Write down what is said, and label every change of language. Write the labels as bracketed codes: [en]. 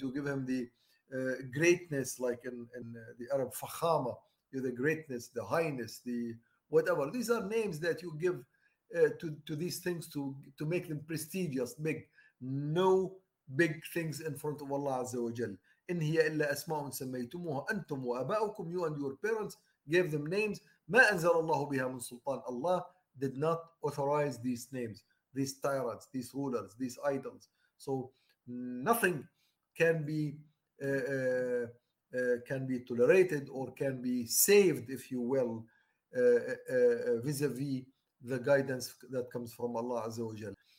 [en] You give him the greatness, like in the Arab, fakhama. You're the greatness, the highness, the whatever. These are names that you give to these things to make them prestigious, big. No big things in front of Allah Azza wa Jal. [ar] إن هي إلا أسماء سميتموها أنتم وأباؤكم. [en] You and your parents gave them names. [ar] ما أنزل الله بها من سلطان. [en] Allah did not authorize these names, these tyrants, these rulers, these idols. So nothing can be tolerated or can be saved, if you will, vis-a-vis the guidance that comes from Allah Azza wa Jal.